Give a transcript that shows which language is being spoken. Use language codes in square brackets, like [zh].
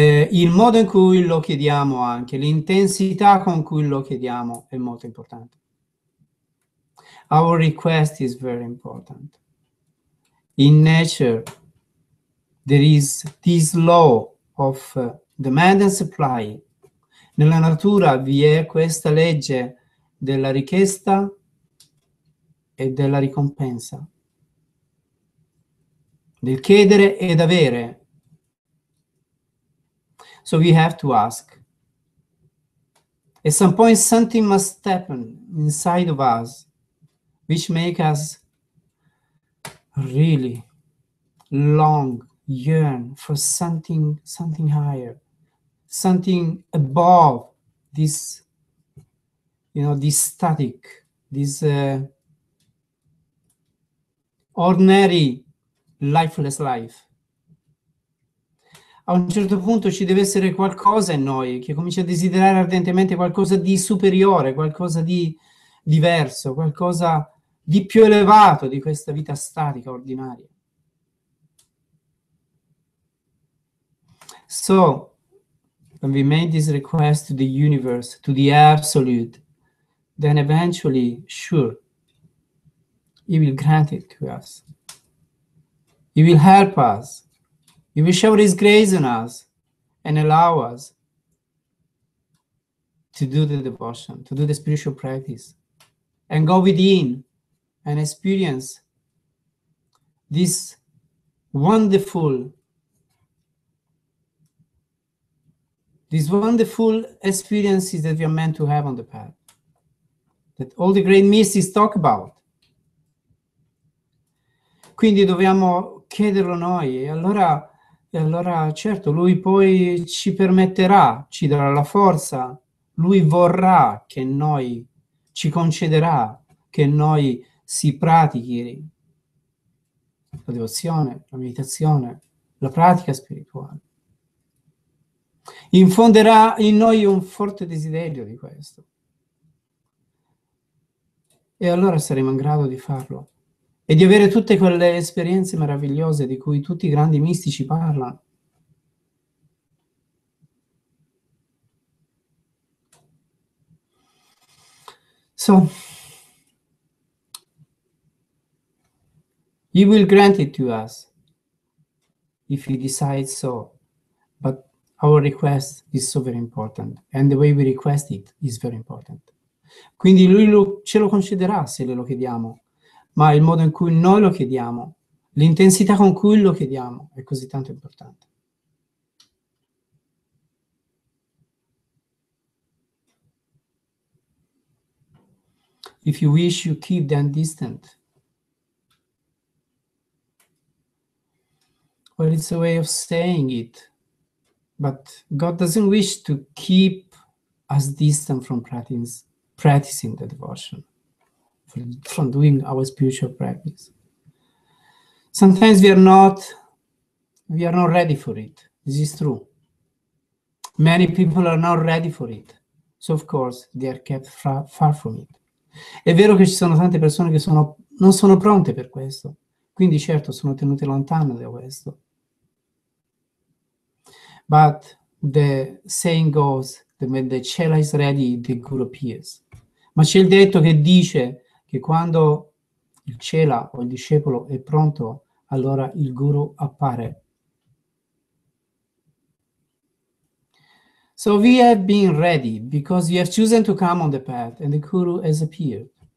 [it] il modo in cui lo chiediamo, anche l'intensità con cui lo chiediamo, è molto importante. [en] Our request is very important. In nature, there is this law of demand and supply. [it] Nella natura vi è questa legge della richiesta e della ricompensa, del chiedere ed avere. [en] So we have to ask. At some point, something must happen inside of us, which makes us really long, yearn for something higher, something above this, you know, this static, this ordinary, lifeless life. [it] A un certo punto ci deve essere qualcosa in noi che comincia a desiderare ardentemente qualcosa di superiore, qualcosa di diverso, qualcosa di più elevato di questa vita statica, ordinaria. [en] So, when we made this request to the universe, to the absolute, then eventually, sure, he will grant it to us. He will help us. He will shower his grace on us and allow us to do the devotion, to do the spiritual practice, and go within and experience this wonderful, these wonderful experiences that we are meant to have on the path, that all the great mystics talk about. [it] Quindi dobbiamo chiederlo noi, e allora certo, lui poi ci permetterà, ci darà la forza, lui vorrà che noi, ci concederà che noi si pratichi la devozione, la meditazione, la pratica spirituale. Infonderà in noi un forte desiderio di questo. E allora saremo in grado di farlo e di avere tutte quelle esperienze meravigliose di cui tutti i grandi mistici parlano. [en] So, he will grant it to us if he decides so, but our request is so very important and the way we request it is very important. [it] Quindi lui ce lo concederà se glielo chiediamo, ma il modo in cui noi lo chiediamo, l'intensità con cui lo chiediamo è così tanto importante. [en] If you wish, you keep them distant. Well, it's a way of saying it, but God doesn't wish to keep us distant from practicing the devotion, from doing our spiritual practice. Sometimes we are not ready for it. This is true. Many people are not ready for it, so of course they are kept far from it. [it] È vero che ci sono tante persone che non sono pronte per questo, quindi certo sono tenute lontano da questo. [en] But the saying goes that when the chela is ready, the guru appears. [it] Ma c'è il detto che dice che quando il chela o il discepolo è pronto, allora il guru appare. [en] So we have been ready because we have chosen to come on the path and the guru has appeared.